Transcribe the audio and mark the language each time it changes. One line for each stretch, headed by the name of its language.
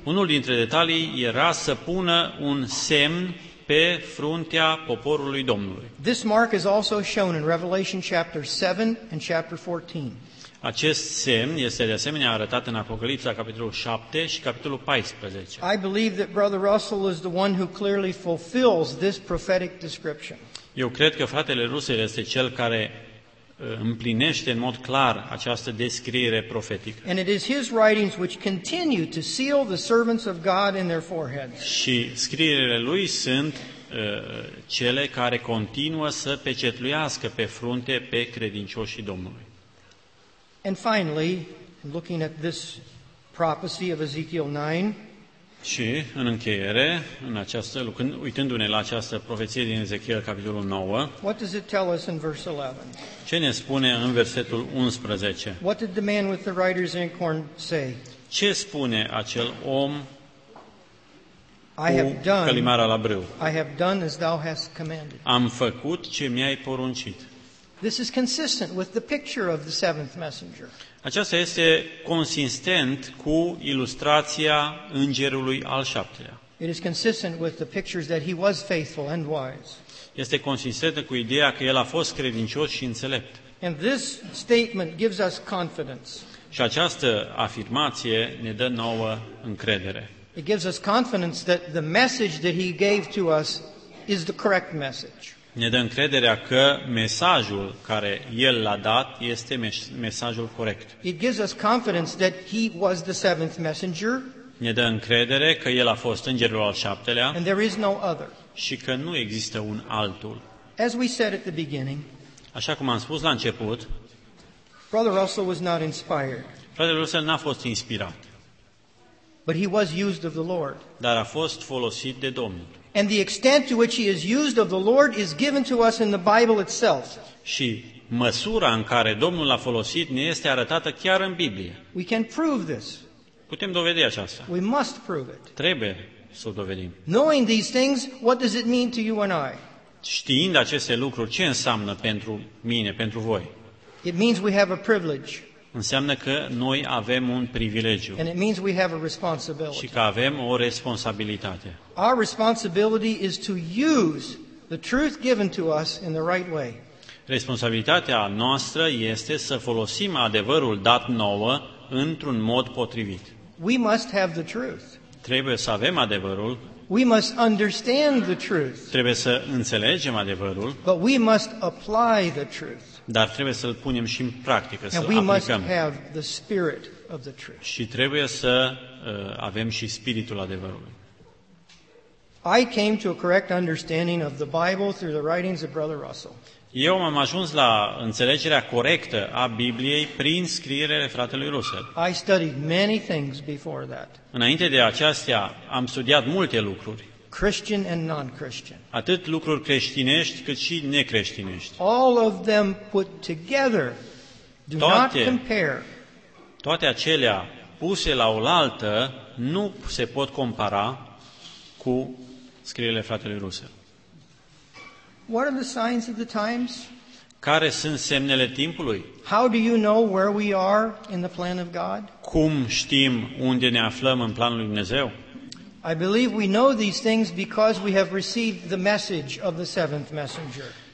Romanian: Unul dintre detalii era să pună un semn pe fruntea poporului Domnului.
English: This mark is also shown in Revelation chapter 7 and chapter 14.
Romanian: Acest semn este de asemenea arătat în Apocalipsa capitolul 7 și capitolul 14.
English: I believe that Brother Russell is the one who clearly fulfills this prophetic description.
Romanian: Eu cred că fratele Russell este cel care împlinește în mod clar această descriere profetică.
English: And it is his writings which continue to seal the servants of God in their foreheads.
Romanian: Și scrierile lui sunt cele care continuă să pecetluiască pe frunte pe credincioșii Domnului.
English: And finally, looking at this prophecy of Ezekiel 9.
Romanian: Și în încheiere, uitându-ne la această profeție din Ezechiel capitolul 9.
English: What does it tell us in verse 11?
Romanian: Ce ne spune în versetul 11?
English: What did the man with the writer's inkhorn say?
Romanian: Ce spune acel om cu călimara la brâu?
English: I have done as thou hast commanded.
Romanian: Am făcut ce mi-ai poruncit.
English: This is consistent with the picture of the seventh messenger.
Romanian: Aceasta este consistent cu ilustrația îngerului al 7-lea.
English: It is consistent with the pictures that he was faithful and wise.
Romanian: Este consistent cu ideea că el a fost credincios și înțelept.
English: And this statement gives us confidence.
Romanian: Și această afirmație ne dă nouă încredere.
English: It gives us confidence that the message that he gave to us is the correct message.
Romanian: Ne dă încrederea că mesajul care el l-a dat este mesajul corect.
English: It gives us confidence that he was the seventh messenger.
Romanian: Ne dă încredere că el a fost îngerul al 7-lea.
English: And there is no other.
Romanian: Și că nu există un altul.
English: As we said at the beginning.
Romanian: Așa cum am spus la început.
English: Brother Russell was not inspired.
Romanian: Fratele Russell n-a fost inspirat.
English: But he was used of the Lord.
Romanian: Dar a fost folosit de Domnul.
English: And the extent to which he is used of the Lord is given to us in the Bible itself.
Romanian: Și măsura în care Domnul l-a folosit ne este arătată chiar în Biblie.
English: We can prove this.
Romanian: Putem dovedi aceasta.
English: We must prove it.
Romanian: Trebuie să o dovedim.
English: Knowing these things, what does it mean to you and I?
Romanian: Știind aceste lucruri, ce înseamnă pentru mine, pentru voi?
English: It means we have a privilege.
Romanian: Înseamnă că noi avem un privilegiu.
English: And it means we have a responsibility.
Romanian: Și că avem o responsabilitate.
English: Our responsibility is to use the truth given to us in the right way.
Romanian: Responsabilitatea noastră este să folosim adevărul dat nouă într-un mod potrivit.
English: We must have the truth.
Romanian: Trebuie să avem adevărul.
English: We must understand the truth.
Romanian: Trebuie să înțelegem adevărul.
English: But we must apply the truth.
Romanian: Dar trebuie să-l punem și în practică, să-l aplicăm.
English: And we must have the spirit of the truth.
Romanian: Și trebuie să avem și spiritul adevărului.
English: I came to a correct understanding of the Bible through the writings of Brother Russell.
Romanian: Eu am ajuns la înțelegerea corectă a Bibliei prin scrierile fratelui Russell.
English: I studied many things before that.
Romanian: Înainte de aceasta, am studiat multe lucruri.
English: Christian and non-Christian.
Romanian: Atât lucruri creștinești, cât și necreștinești.
English: All of them put together do not compare.
Romanian: Toate acelea puse la oaltă nu se pot compara cu scrierile fratelui Russell.
English: What are the signs of the times?
Romanian: Care sunt semnele timpului?
English: How do you know where we are in the plan of God?
Romanian: Cum știm unde ne aflăm în planul lui Dumnezeu?
English: I believe we know these things because we have received the message of the seventh messenger.